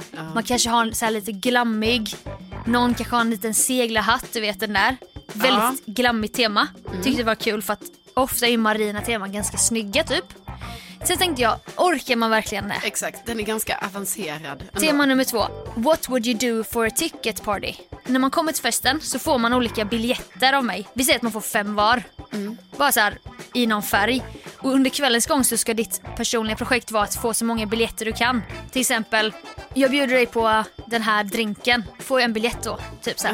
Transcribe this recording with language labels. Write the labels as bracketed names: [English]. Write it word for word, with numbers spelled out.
[Swedish] Ja. Man kanske har så här lite glammig. Någon kanske har en liten seglarhatt, du vet den där. Väldigt ja. glammigt tema. Mm. Tyckte det var kul för att ofta är marina teman ganska snygga typ. Sen tänkte jag, orkar man verkligen det? Exakt, den är ganska avancerad. Tema nummer två. [English] What would you do for a ticket party? [Swedish] När man kommer till festen så får man olika biljetter av mig. Vi säger att man får fem var. Mm. Bara så här, i någon färg. Och under kvällens gång så ska ditt personliga projekt vara att få så många biljetter du kan. Till exempel, jag bjuder dig på den här drinken. Får jag en biljett då? Typ så här,